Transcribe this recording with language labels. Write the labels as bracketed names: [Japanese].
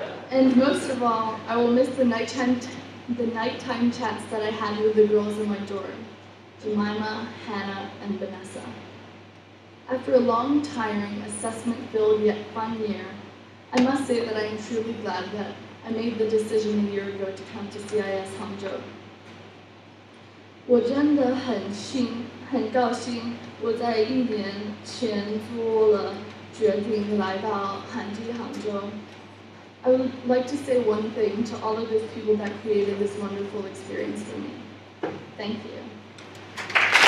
[English] And most of all, I will miss the nighttime chats that I had with the girls in my dorm. Jemima, Hannah, and Vanessa. After a long, tiring, assessment-filled yet fun year, I must say that I am truly glad that I made the decision a year ago to come to CIS Hangzhou. [Chinese] 我真的很高兴我在一年前做了决定来到韩籍杭州。 [English] I would like to say one thing to all of those people that created this wonderful experience for me. Thank you.